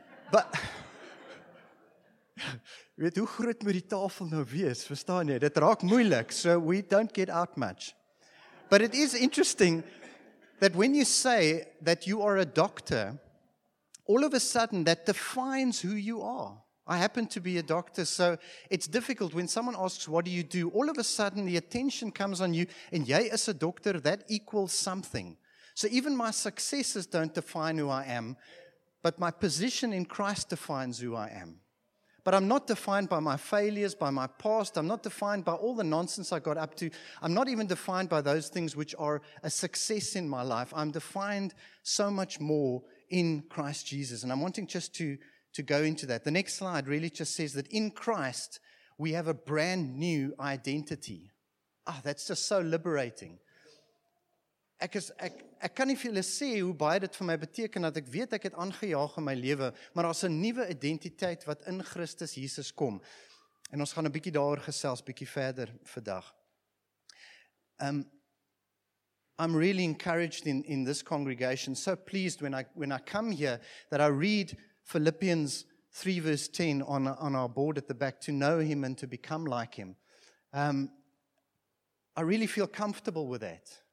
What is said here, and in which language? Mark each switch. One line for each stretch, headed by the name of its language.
Afrikaans: But, jy weet, hoe groot moet die tafel nou wees? Verstaan jy? Dit raak moeilik,
English: so we don't get out much. But it is interesting that when you say that you are a doctor, all of a sudden that defines who you are. I happen to be a doctor, so it's difficult when someone asks, what do? All of a sudden the attention comes on you, and
Afrikaans: jy is
English: a doctor, that equals something. So even my successes don't define who I am, but my position in Christ defines who I am. But I'm not defined by my failures, by my past. I'm not defined by all the nonsense I got up to. I'm not even defined by those things which are a success in my life. I'm defined so much more in Christ Jesus. And I'm wanting just to go into that. The next slide really just says that in Christ, we have a brand new identity. Ah, that's just so liberating.
Afrikaans: Ek kan nie vir julle sê hoe baie dit vir my beteken, dat ek weet ek het aangejaag in my lewe, maar daar's 'n nuwe identiteit wat in Christus Jesus kom. En ons gaan 'n bietjie daaroor gesels, bietjie verder vandag.
English: I'm really encouraged in this congregation, so pleased when I come here, that I read Philippians 3 verse 10 on our board at the back, to know him and to become like him. I really feel comfortable with that.